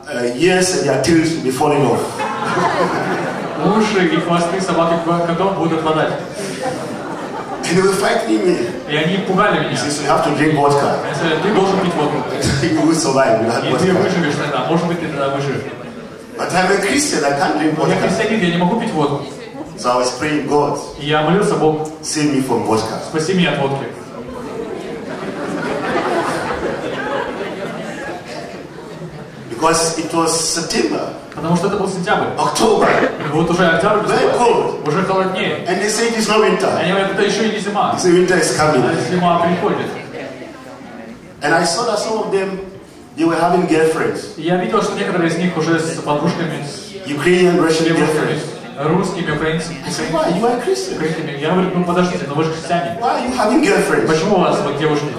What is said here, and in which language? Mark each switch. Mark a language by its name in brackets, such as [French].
[English] Ears and their tails will be falling off. [Russian] Уши и хвосты собаки котов будут падать. [English] They were frightening me. [Russian] И они пугали меня. [English] Since you have to drink vodka. [Russian] Ты должен пить водку. [English] You will survive without vodka. [Russian] И ты выживешь тогда. Может быть, ты тогда выживешь. [English] But I'm a Christian. I can't drink vodka. [Russian] Я христианин, я не могу пить водку. [English] So I was praying God. [Russian] И я молился Богу. [English] Save me from vodka. [Russian] Спаси меня от водки. [English] Because it was September. [Russian] Потому что это был сентябрь. [English] October. [Russian] Вот уже октябрь. [English] Very cold. [Russian] Уже холоднее. [English] And they say it is not winter. [Russian] Они говорят, это еще и не зима. [English] So winter is coming. [Russian] Зима приходит. [English] And I saw that some of them, they were having girlfriends. [Russian] Я видел, что некоторые из них уже с подружками. [English] Ukrainian, Russian girlfriends. [Russian] Русскими, украинцами. [English] I said, why? You are Christian. [Russian] Я говорю, ну подождите, но вы же христиане. [English] Why are you having girlfriends? [Russian] Почему у вас вот девушки?